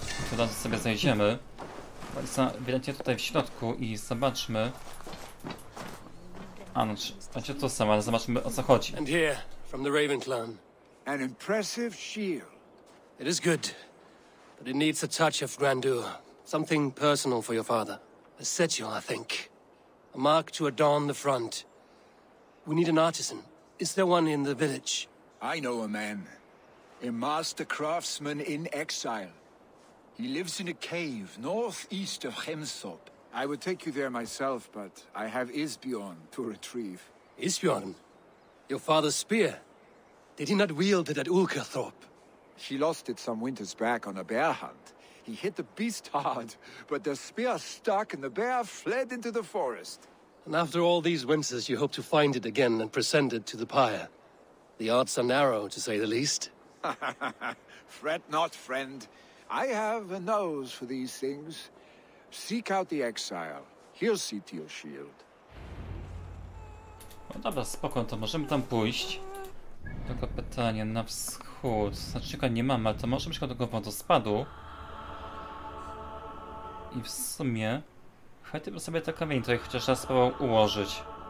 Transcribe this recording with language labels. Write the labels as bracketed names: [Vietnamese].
[Polish] Teraz sobie zejdziemy. Wejdźcie tutaj w środku i zobaczmy. A no, znaczy to samo, ale zobaczmy o co chodzi. [English] And here, from the Raven Clan. An impressive shield. It is good, but it needs a touch of grandeur. Something personal for your father. A sigil, I think. A mark to adorn the front. We need an artisan. Is there one in the village? I know a man. A master craftsman in exile. He lives in a cave northeast of Hemsop. I would take you there myself, but I have Isbjorn to retrieve. Isbjorn? Your father's spear? Did he not wield it at Ulkerthorpe? He lost it some winters back on a bear hunt. He hit the beast hard, but the spear stuck and the bear fled into the forest. And after all these winters, you hope to find it again and present it to the pyre. The odds are narrow, to say the least. Fret not, friend. I have a nose for these things. Seek out the exile. He'll see to your shield. [Polish] No dobra, spoko, to możemy tam pójść. Tylko pytanie, na wschód. Znacznika nie mamy, ale to może być do wodospadu. I w sumie... chciałbym sobie te kamienie tutaj chociaż raz próbował ułożyć.